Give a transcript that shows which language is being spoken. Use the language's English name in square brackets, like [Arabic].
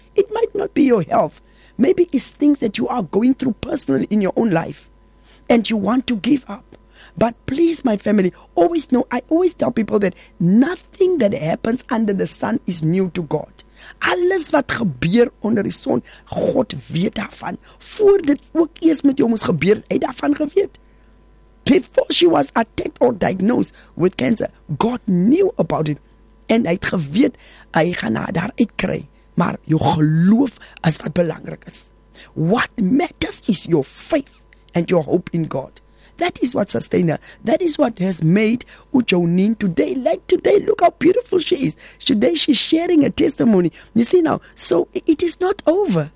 [English] It might not be your health. Maybe it's things that you are going through personally in your own life. And you want to give up. But please, my family, always know, I always tell people that nothing that happens under the sun is new to God. [Afrikaans] Alles wat gebeur onder die son, God weet daarvan. Voor dit ook eers met jou moes gebeur, hy daarvan geweet. [English] Before she was attacked or diagnosed with cancer, God knew about it. [Afrikaans] En hy het geweet, hy gaan haar daaruit kry. Maar jou geloof is wat belangrik is. [English] What matters is your faith and your hope in God. That is what sustained her. That is what has made Ujonin today. Like today, look how beautiful she is. Today she's sharing a testimony. You see now, so it is not over.